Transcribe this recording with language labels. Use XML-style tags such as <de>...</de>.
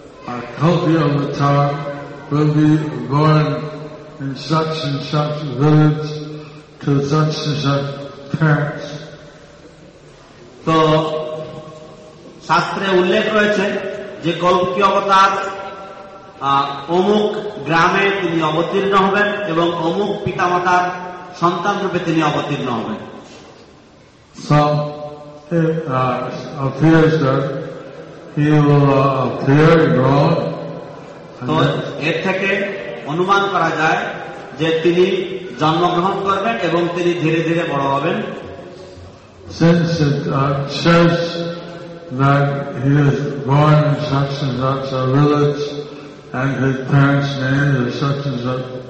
<en>Will be born in such and such village to such and such parents.</en> <bn>তো শাস্ত্রে উল্লেখ রয়েছে যে কল্কি অবতার অমুক গ্রামে তিনি অবতীর্ণ হবেন এবং অমুক পিতামাতার সন্তান রূপে তিনি অবতীর্ণ হবেন।</bn> <en>So it appears that he will appear abroad.</en> <bn>তো এর থেকে অনুমান করা যায় যে তিনি জন্মগ্রহণ করবেন এবং তিনি ধীরে ধীরে বড় হবেন।</bn> <en>Since it says that he is born in such and such a village and his parents' name is such and such.</en>